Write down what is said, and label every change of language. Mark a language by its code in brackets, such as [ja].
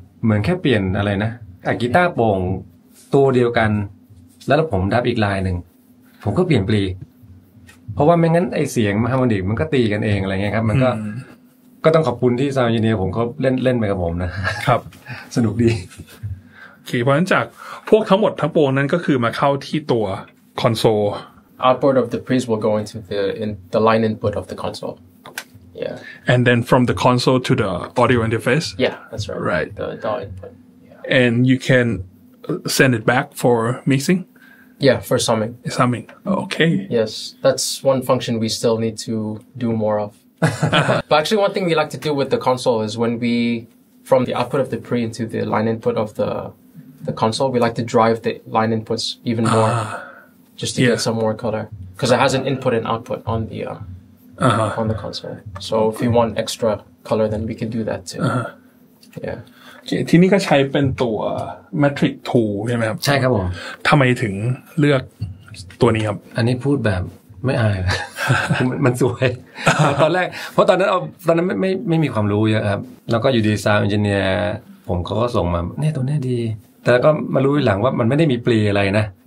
[th] เหมือนแค่เปลี่ยนอะไรนะกีตาร์โป่งตัวเดียวกันแล้วผมดับอีกลายหนึ่งผมก็เปลี่ยนปลีเพราะว่าไม่งั้นไอเสียงมาฮาร์โมนิกมันก็ตีกันเองอะไรเงี้ยครับมันก็ต้องขอบคุณที่ซาวด์เอนจิเนียร์ผมเขาเล่นไปกับผมนะ ครับ สนุกดี โอเคเพราะฉะนั้นจากพวกทั้งหมดทั้งปวงนั้นก็คือมาเข้าที่ตัวคอนโซล [en] Outboard of the priest will go into the line input of the consoleYeah. And then from the console to the audio interface? Yeah, that's right. Right. The DAW input. Yeah. And you can send it back for mixing? Yeah, for summing. Summing. Okay. Yes, that's one function we still need to do more of. But actually, one thing we like to do with the console is when we, from the output of the pre into the line input of the console, we like to drive the line inputs even more, just to get some more color, because it has an input and output on the console. So if you want extra color, then we can do that too. [th] ทีนี้ก็ใช้เป็นตัว Matrix 2ใช่ไหมครับ ใช่ครับผม ทำไมถึงเลือกตัวนี้ครับ อันนี้พูดแบบไม่อายมันสวย ตอนแรกเพราะตอนนั้นไม่มีความรู้เยอะครับแล้วก็อยู่ดีซาวน์เอนจิเนียร์ผมเขาก็ส่งมาเนี่ยตัวนี้ดีแต่ก็มารู้หลังว่ามันไม่ได้มีปลีอะไรนะ